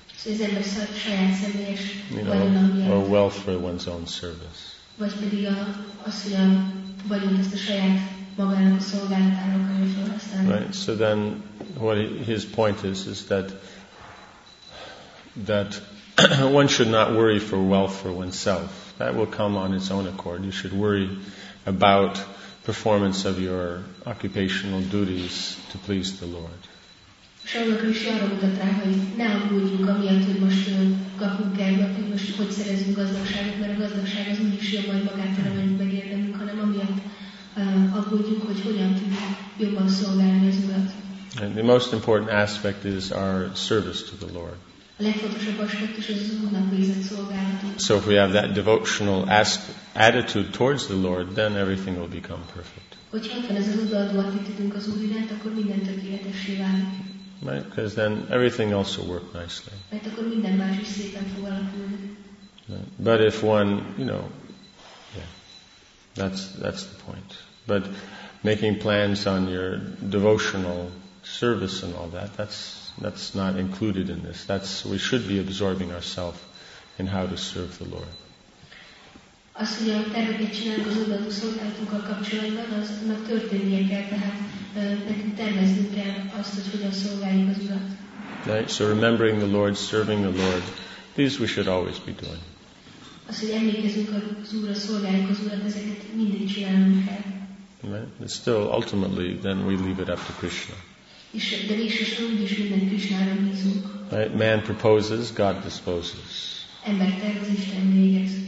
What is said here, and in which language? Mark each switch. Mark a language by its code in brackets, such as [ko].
[hu] So is ember saját személyes vagyonát. [en] Or wealth for one's own service. [hu] Vagy pedig az, hogy a vagyont ezt a saját magának a szolgálatára akarja felhasználni. [en] Right. So then, what his point is that one should not worry for wealth for oneself. That will come on its own accord. You should worry about performance of your occupational duties to please the Lord. Mm-hmm. [hu] aggódjunk, hogy hogyan tudjuk jobban szolgálni az Urat. [en] And the most important aspect is our service to the Lord. [hu] A legfontosabb aspektus az Úrnak végzett szolgálatunk. [en] So if we have that devotional attitude towards the Lord, then everything will become perfect. [hu] Hogyha ebben az odaadó attitűdünk az Úr iránt, akkor minden tökéletessé válik. [en] Right, because then everything else will work nicely. But if one, you know, yeah, that's the point. But making plans on your devotional service and all that, that's not included in this. That's, we should be absorbing ourselves in how to serve the Lord. [hu] Az, hogy a terveket csinálunk az odaadó szolgálatunkkal kapcsolatban, aznak történnie kell, tehát nekünk terveznünk kell azt, hogy hogyan szolgáljuk az Urat. [en] Right, so remembering the Lord, serving the Lord, these we should always be doing. [hu] Az, hogy emlékezünk az Úrra, szolgáljuk az Urat, ezeket mindig csinálunk kell. [en] Right, still, ultimately, then we leave it up to Krishna. [hu] És de végsősorban úgyis mindent Krishnára bízunk. [en] Right, man proposes, God disposes. [hu] Ember tervez, Isten végez.